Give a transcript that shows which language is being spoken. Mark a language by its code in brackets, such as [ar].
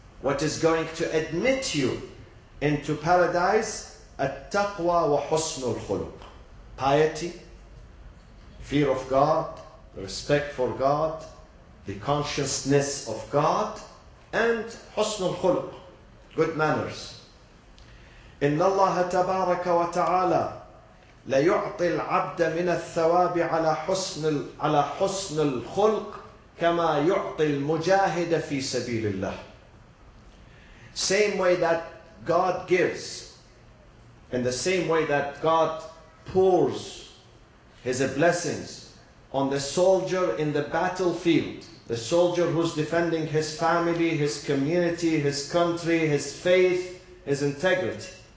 [en] What is going to admit you into paradise? [ar] التقوى وحسن الخلق, [en] piety, fear of God, respect for God, the consciousness of God, and [ar] حسن الخلق, [en] good manners. [ar] إن الله تبارك وتعالى ليعطي العبد من الثواب على حسن الخلق كما يعطي المجاهد في سبيل الله. [en] Same way that God gives, in the same way that God pours His blessings on the soldier in the battlefield, the soldier who's defending his family, his community, his country, his faith, his integrity.